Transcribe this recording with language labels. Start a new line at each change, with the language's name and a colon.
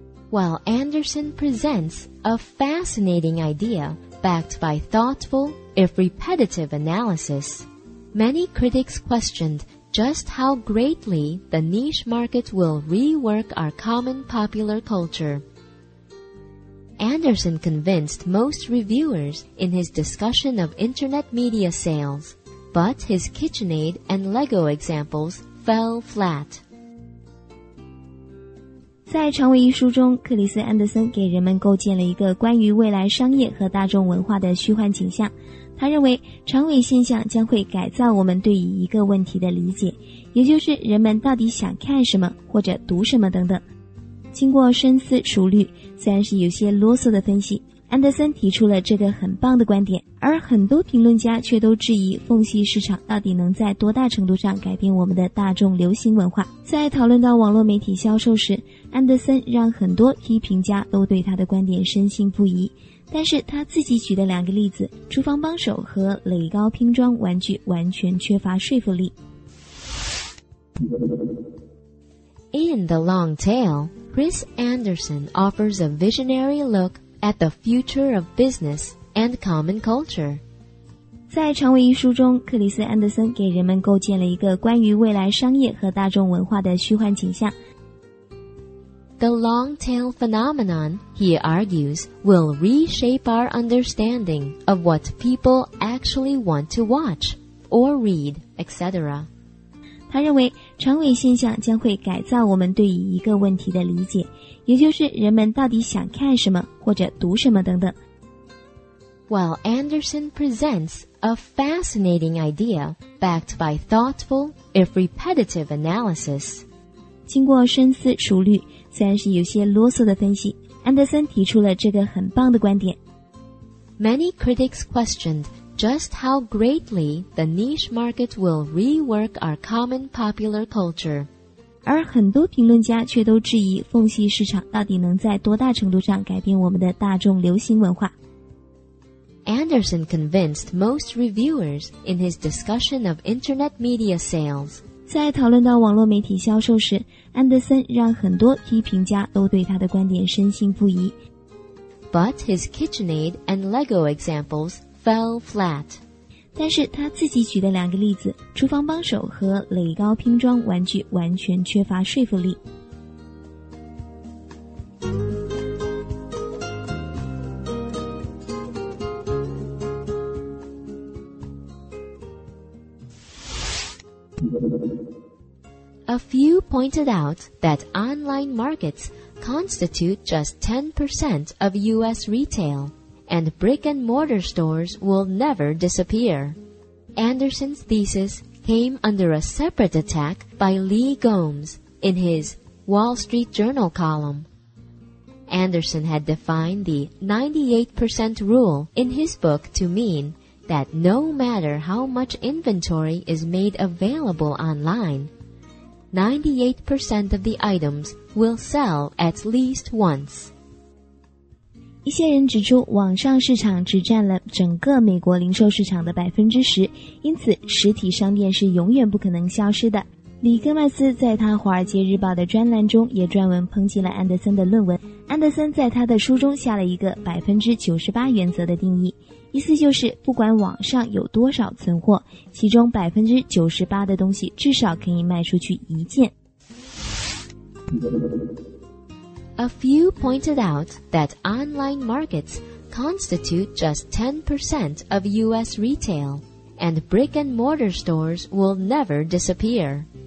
English: While Anderson presents a fascinating idea backed by thoughtful, if repetitive, analysis, many critics questioned just how greatly the niche market will rework our common popular culture. Anderson convinced most reviewers in his discussion of internet media sales, but his KitchenAid and Lego examples fell flat.
Chinese: 在《长尾》一书中，克里斯·安德森给人们构建了一个关于未来商业和大众文化的虚幻景象。他认为，长尾现象将会改造我们对于一个问题的理解，也就是人们到底想看什么或者读什么等等。经过深思熟虑，虽然是有些啰嗦的分析，安德森提出了这个很棒的观点，而很多评论家却都质疑缝隙市场到底能在多大程度上改变我们的大众流行文化。在讨论到网络媒体销售时，安德森让很多批评家都对他的观点深信不疑，但是他自己举的两个例子，厨房帮手和垒高拼装玩具，完全缺乏说服力。
English: In the long tail, Chris Anderson offers a visionary look at the future of business and common culture.
Chinese: 在《长尾》一书中，克里斯·安德森给人们构建了一个关于未来商业和大众文化的虚幻景象。
English: The long tail phenomenon, he argues, will reshape our understanding of what people actually want to watch or read, etc.
Chinese: 他认为，长尾现象将会改造我们对于一个问题的理解，也就是人们到底想看什么或者读什么等等。
English: While Anderson presents a fascinating idea backed by thoughtful, if repetitive, analysis.
Chinese: 经过深思熟虑，虽然是有些啰嗦的分析，安德森提出了这个很棒的观点。
English: Many critics questioned just how greatly the niche market will rework our common popular culture.
Chinese: 而很多评论家却都质疑缝隙市场到底能在多大程度上改变我们的大众流行文化。
English: Anderson convinced most reviewers in his discussion of internet media sales.
Chinese: 在讨论到网络媒体销售时，安德森让很多批评家都对他的观点深信不疑。
English: But his KitchenAid and Lego examples fell flat.
Chinese: 但是他自己举的两个例子，厨房帮手和垒高拼装玩具，完全缺乏说服力。
English: A few pointed out that online markets constitute just 10% of U.S. retail, and brick-and-mortar stores will never disappear. Anderson's thesis came under a separate attack by Lee Gomes in his Wall Street Journal column. Anderson had defined the 98% rule in his book to mean,that no matter how much inventory is made available online, 98% of the items will sell at least once.
Chinese: 一些人指出，网上市场只占了整个美国零售市场的10%，因此实体商店是永远不可能消失的。里格麦斯在他《华尔街日报》的专栏中也专门抨击了安德森的论文。安德森在他的书中下了一个98%原则的定义，意思就是不管网上有多少存货，其中98%的东西至少可以卖出去一件。
English: A few pointed out that online markets constitute just 10% of U.S. retail, and brick-and-mortar stores will never disappear.